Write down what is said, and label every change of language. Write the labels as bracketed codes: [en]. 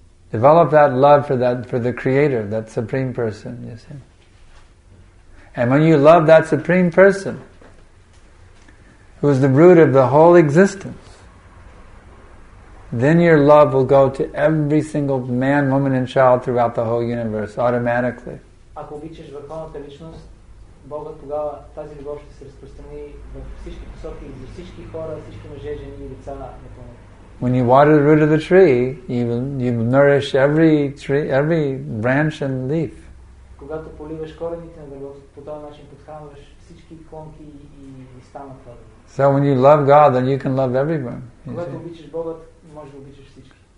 [en] Develop that love for the Creator, that Supreme Person, you see. And when you love that Supreme Person, who is the root of the whole existence, then your love will go to every single man, woman and child throughout the whole universe, automatically. [bg] Ако обичаш върховната личност, Бога, тогава тази любов ще се разпространи в всички посоки, за всички хора, всички мъже, жени и деца на планета. [en] When you water the root of the tree, you nourish every tree, every branch and leaf. [bg] Когато поливаш корените на дървото, по този начин подхранваш всички клонки и листа на това. [en] So when you love God, then you can love everyone. [bg] Когато обичаш Бога, можеш да обичаш всички.